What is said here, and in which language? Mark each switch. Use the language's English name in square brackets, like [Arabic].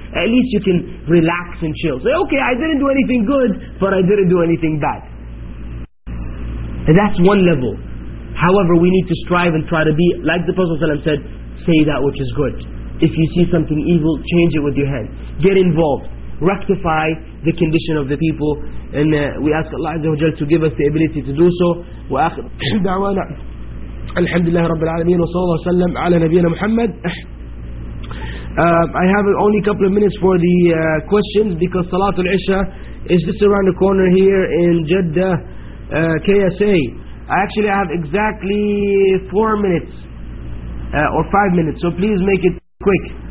[English] At least you can relax and chill. Say, okay, I didn't do anything good, but I didn't do anything bad. And that's one level. However, we need to strive and try to be, like the Prophet ﷺ said, say that which is good. If you see something evil, change it with your hand. Get involved. Rectify the condition of the people. And we ask Allah Azza wa Jalla to give us the ability to do so. [Arabic] الحمد لله رب العالمين وصلى الله وسلم على نبينا محمد. [English] I have only a couple of minutes for the questions because Salat al-Isha is just around the corner here in Jeddah, KSA. Actually, I have exactly 4 minutes or 5 minutes, so please make it quick.